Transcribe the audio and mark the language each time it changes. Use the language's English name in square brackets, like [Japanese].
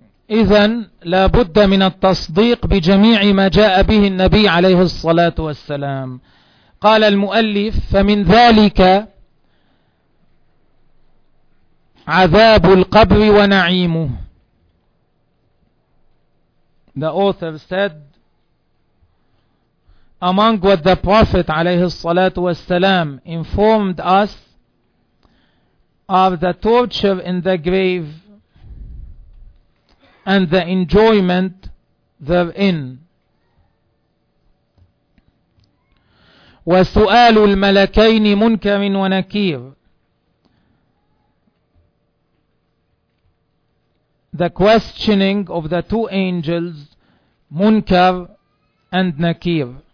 [Arabic] إذن لابد من التصديق بجميع ما جاء به النبي عليه الصلاة والسلام. قال المؤلف: فمن ذلك عذاب القبر ونعيمه. [English] The author said, among what the Prophet [Arabic] عليه الصلاة والسلام [English] informed us of the torture in the grave and the enjoyment therein. [Arabic] وسؤال الملكين منكر ونكير. [English] The questioning of the two angels, Munkar and Nakir.